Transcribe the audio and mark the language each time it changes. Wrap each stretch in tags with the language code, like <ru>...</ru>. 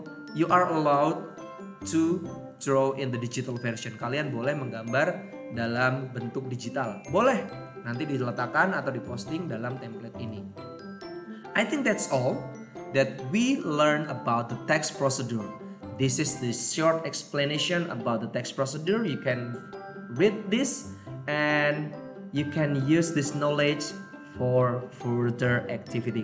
<en>You are allowed to draw in the digital version.</en> <id>Kalian boleh menggambar dalam bentuk digital. Boleh. Nanti diletakkan atau diposting dalam template ini.</id> <en>I think that's all that we learn about the text procedure. This is the short explanation about the text procedure. You can read this and you can use this knowledge for further activity.</en>